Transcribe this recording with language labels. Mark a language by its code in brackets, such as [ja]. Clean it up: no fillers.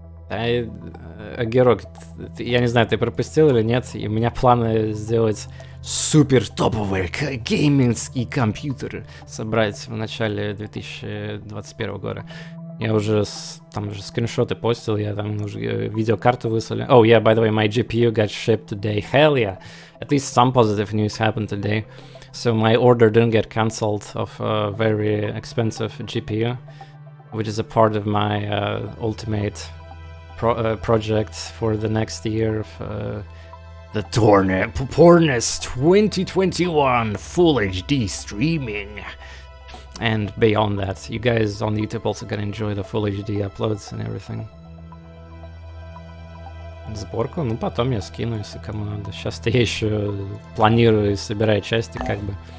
[ru] I, Герок, я не знаю, ты пропустил или нет, и у меня планы сделать супер топовый гейминский компьютер, собрать в начале 2021 года. Я уже там же скриншоты постил, я там уже видеокарту выслали. [en] Oh yeah, by the way, my GPU got shipped today. Hell yeah! At least some positive news happened today. So my order didn't get cancelled of a very expensive GPU, which is a part of my ultimate project for the next year of the TorNis 2021 Full HD streaming. And beyond that, you guys on YouTube also gonna enjoy the Full HD uploads and everything. [ru] Сборку, ну потом я скину, если кому надо. Сейчас-то я еще планирую и собираю части, как бы.